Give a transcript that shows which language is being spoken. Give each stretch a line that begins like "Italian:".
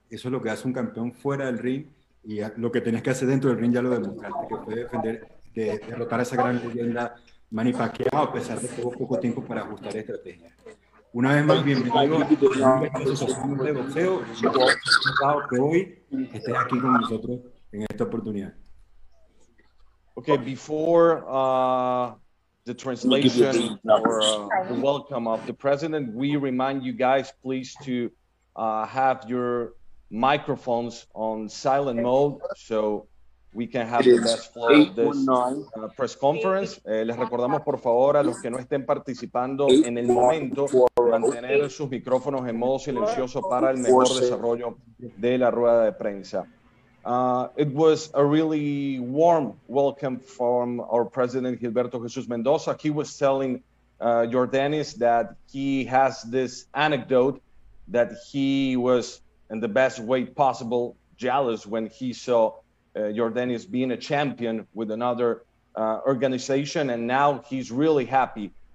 Spanish: Eso es lo que hace un campeón fuera del ring, y lo que tenés que hacer dentro del ring ya lo demostraste, que puede defender, de derrotar a esa gran leyenda Manny Pacquiao, a pesar de que hubo poco tiempo para ajustar estrategia. Una vez más, bienvenido a la Asociación de Boxeo. Encantado que hoy estés aquí con nosotros en esta oportunidad.
English: Ok, before the translation or the welcome of the president, we remind you guys, please, to have your microphones on silent mode so we can have the best flow of this press conference.
Spanish: Les recordamos, por favor, a los que no estén participando en el momento, mantener sus micrófonos en modo silencioso para el mejor desarrollo de la rueda de prensa.
English: It was a really warm welcome from our president, Gilberto Jesús Mendoza. He was telling Yordenis that he has this anecdote that he was in the best way possible jealous when he saw Yordenis being a champion with another organization, and now he's really happy